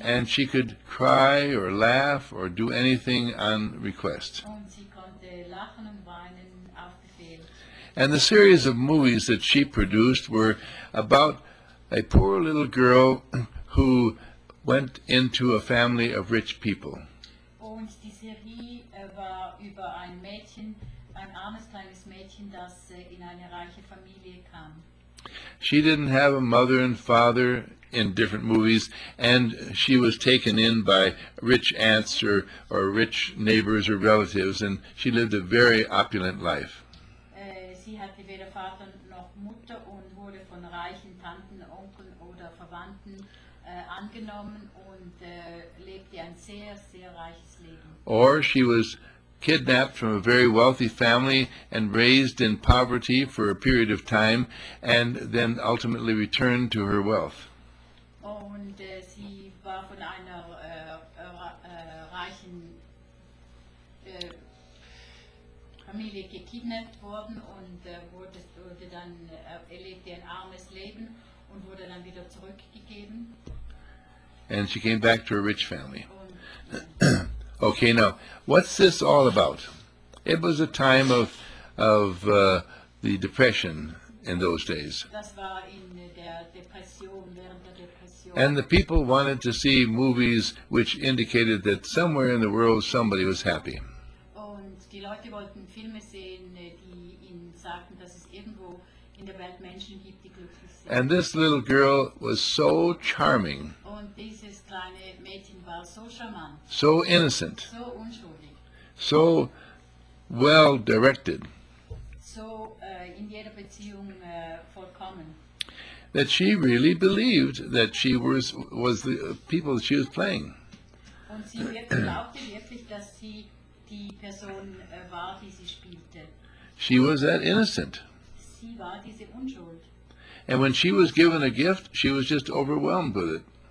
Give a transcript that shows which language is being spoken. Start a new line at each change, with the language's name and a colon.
English: And she could cry or laugh or do anything on request.
German: Und sie konnte lachen und weinen auf Befehl.
English: And the series of movies that she produced were about a poor little girl who went into a family of rich people.
German: Und die Serie war über ein Mädchen, ein armes kleines Mädchen, das in eine reiche Familie kam.
English: She didn't have a mother and father in different movies, and she was taken in by rich aunts or rich neighbors or relatives, and she lived a very opulent life.
German: Sie hatte weder Vater noch Mutter und wurde von reichen Tanten, Onkeln oder Verwandten angenommen und lebte ein sehr, sehr reiches Leben.
English: Or she was kidnapped from a very wealthy family and raised in poverty for a period of time and then ultimately returned to her wealth.
German: Und sie war von einer reichen Familie gekidnappt worden und wurde dann erlebte ein armes Leben und wurde dann wieder zurückgegeben.
English: And she came back to a rich family. Okay, now, what's this all about? It was a time of the Depression in those days.
German: Das war in der Depression, während der Depression.
English: And the people wanted to see movies which indicated that somewhere in the world somebody was happy.
German: Und die Leute wollten Filme sehen, die ihnen sagten, dass es irgendwo in der Welt Menschen gibt, die glücklich sind.
English: And this little girl was so charming.
German: Und dieses kleine Mädchen war so charmant.
English: So innocent.
German: So unschuldig.
English: So well directed.
German: So in jeder Beziehung vollkommen.
English: That she really believed that she was the people that she was playing.
German: Und sie glaubte wirklich, dass sie die Person war, die sie spielte.
English: She was that innocent.
German: Sie war diese Unschuld.
English: And when she was given a gift, she was just overwhelmed with it.